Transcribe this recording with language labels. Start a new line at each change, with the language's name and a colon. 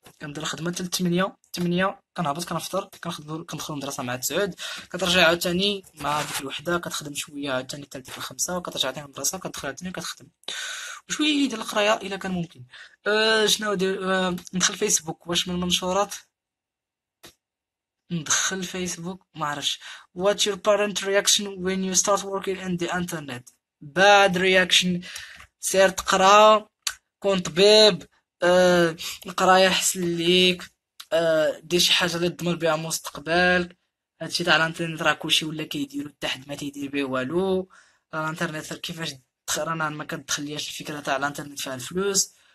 Arabic: كنبدا الخدمه حتى ل 8، 8 كنهبط كنفطر، كندخل المدرسه مع تسعود، كترجع عاوتاني مع ديك الوحده كتخدم شويه عاوتاني حتى ل 5، وكترجع تاني المدرسه كتدخل عاوتاني كتخدم وشويه ديال القرايه الا كان ممكن. شنو دير؟ ندخل فيسبوك، واش من منشورات؟ ندخل فيسبوك ما عرفش.
English: What's your parent reaction when you start working in the internet؟ Bad reaction.
Arabic: سير تقرا، كون طبيب، القراية حسن ليك، دير شي حاجة اللي تضمن بيها مستقبلك. هادشي تاع الانترنت راه كلشي ولا كيديرو، تحت ما تيدير بيه والو الانترنت، كيفاش رانا ما كتدخليش الفكرة تاع الانترنت فيها الفلوس.